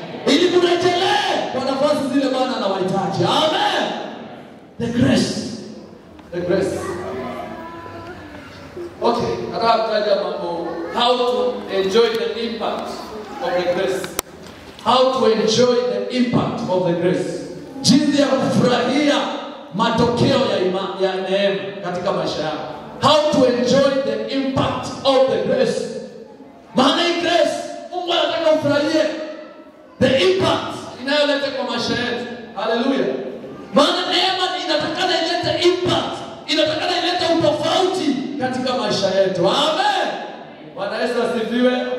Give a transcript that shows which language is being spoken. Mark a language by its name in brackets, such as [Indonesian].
[Swahili] Ili mrejelee kwa nafasi zile Bwana anawahitaji. Amen. [English] The grace. Okay, [Swahili] nataka kutaja mambo [English] how to enjoy the impact of the grace. How to enjoy the impact of the grace. [Swahili] Jinsi ya kufurahia matokeo ya imani ya neema katika maisha yako. [English] How to enjoy the impact of the grace. [Swahili] Maana hii grace Mungu anataka ufurahie [English] the impact [Swahili] inayoleta kwa maisha yetu. Hallelujah. Maana neema inatakana ilete impact. Inatakana ilete maisha yetu. Amen. Bwana Yesu asifiwe.